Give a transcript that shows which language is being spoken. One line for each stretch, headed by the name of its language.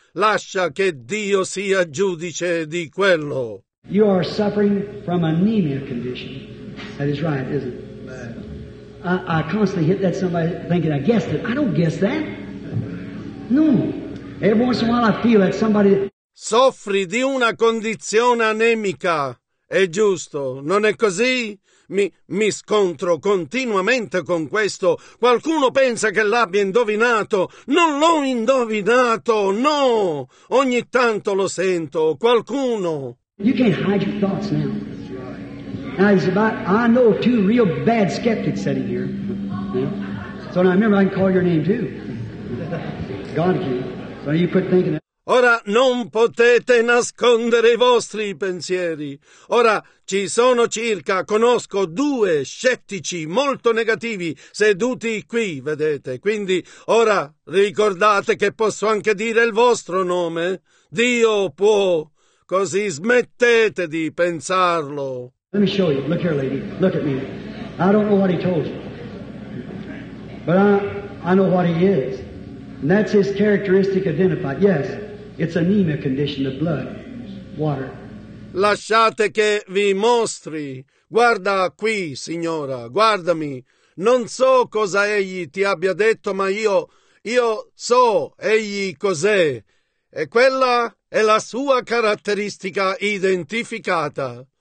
Italian: Lascia che Dio sia giudice di quello.
English: You are suffering from anemia condition. That is right, isn't it? I constantly hit that somebody thinking I guessed it. I don't guess that. No. Every once in a while I feel that somebody...
Italian: Soffri di una condizione anemica, è giusto, non è così? Mi scontro continuamente con questo. Qualcuno pensa che l'abbia indovinato. Non l'ho indovinato, no! Ogni tanto lo sento, qualcuno.
English: You can't hide your thoughts now. Now he's about, I know two real bad skeptics sitting here. So now I remember I can call your name too. God can. So you quit thinking that.
Italian: Ora non potete nascondere i vostri pensieri. Ora ci sono circa, conosco due scettici molto negativi seduti qui, vedete. Quindi ora ricordate che posso anche dire il vostro nome. Dio può, così smettete di pensarlo.
English: Let me show you. Look here, lady. Look at me. I don't know what he told you. But I know what he is. And that's his characteristic identified. Yes. It's anemia condition of blood, water.
Italian: Lasciate che vi mostri. Guarda qui, signora, guardami. Non so cosa egli ti abbia detto, ma io so egli cos'è. E quella è la sua caratteristica identificata.